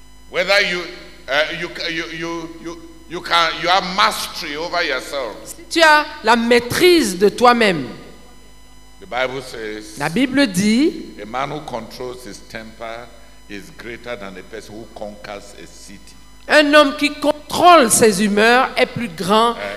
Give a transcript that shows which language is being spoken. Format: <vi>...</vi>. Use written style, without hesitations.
<en>Whether you have mastery over yourself.</en> <fr>Si tu as la maîtrise de toi-même.</fr> <en>The Bible says.</en> <fr>La Bible dit.</fr> <en>A man who controls his temper is greater than a person who conquers a city.</en> <fr>Un homme qui contrôle ses humeurs est plus grand.</fr>